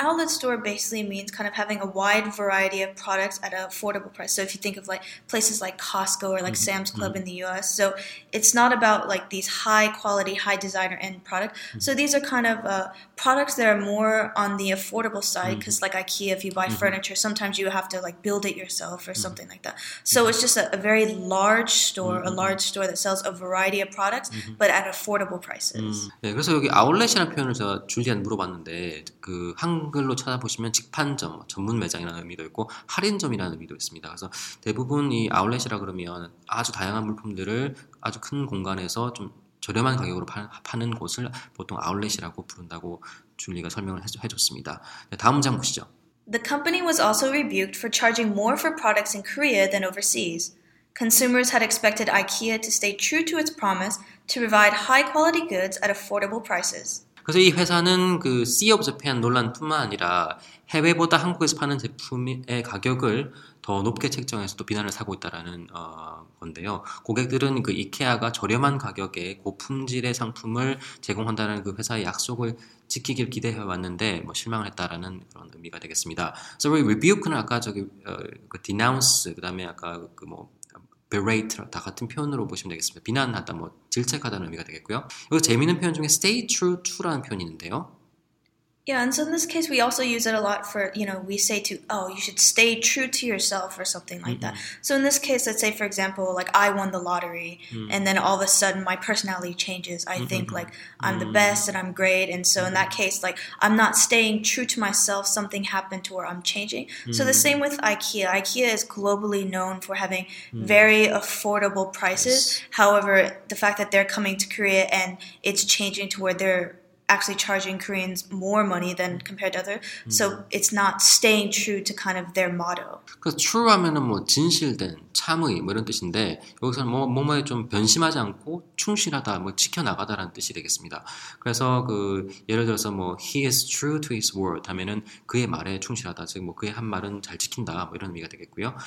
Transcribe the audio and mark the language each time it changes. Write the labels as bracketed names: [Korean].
[English] Outlet store basically means kind of having a wide variety of products at an affordable price. So if you think of like places like Costco or like Sam's Club in the US, so it's not about like these high quality, high designer end product. So these are kind of products that are more on the affordable side because like IKEA, if you buy furniture, sometimes you have to like build it yourself or something like that. So it's just a very large store, mm-hmm. a large store that sells a variety of products, mm-hmm. but at affordable prices. [Korean] 네, 그래서 여기 아울렛이라는 표현을 제가 줄리안 물어봤는데 그 한글로 찾아보시면 직판점, 전문 매장이라는 의미도 있고 할인점이라는 의미도 있습니다. 그래서 대부분 이 아울렛이라 그러면 아주 다양한 물품들을 아주 큰 공간에서 좀 저렴한 가격으로 파는 곳을 보통 아울렛이라고 부른다고 줄리가 설명을 해줬습니다. 네, 다음 문장 보시죠. [English] The company was also rebuked for charging more for products in Korea than overseas. Consumers had expected IKEA to stay true to its promise to provide high-quality goods at affordable prices. [Korean] 그래서 이 회사는 그 Sea of Japan 논란뿐만 아니라 해외보다 한국에서 파는 제품의 가격을 더 높게 책정해서 또 비난을 사고 있다라는 건데요. 고객들은 그 이케아가 저렴한 가격에 고품질의 상품을 제공한다는 그 회사의 약속을 지키길 기대해 왔는데 뭐 실망을 했다라는 그런 의미가 되겠습니다. So rebuke는 아까 저기 그 denounce 그다음에 아까 그 뭐 berate 다 같은 표현으로 보시면 되겠습니다. 비난하다, 뭐 질책하다는 의미가 되겠고요. 그리고 재미있는 표현 중에 stay true to라는 표현이 있는데요. [English] Yeah, and so in this case, we also use it a lot for, you know, we say to, oh, you should stay true to yourself or something like mm-hmm. that. So in this case, let's say, for example, like, I won the lottery, mm-hmm. and then all of a sudden, my personality changes. I mm-hmm. think, like, I'm mm-hmm. the best and I'm great. And so in that case, like, I'm not staying true to myself. Something happened to where I'm changing. Mm-hmm. So the same with IKEA. IKEA is globally known for having mm-hmm. very affordable prices. Yes. However, the fact that they're coming to Korea and it's changing to where they're actually charging Koreans more money than compared to others. So it's not staying true to kind of their motto. [Korean] 그 true 하면은 뭐 진실된, 참의 뭐 이런 뜻인데 여기서는 뭐 뭐뭐에 좀 변심하지 않고 충실하다, 뭐 지켜나가다라는 뜻이 되겠습니다. 그래서 그 예를 들어서 뭐 [English] he is true to his word [Korean] 하면은 그의 말에 충실하다. 즉 뭐 그의 한 말은 잘 지킨다. 뭐 이런 의미가 되겠고요.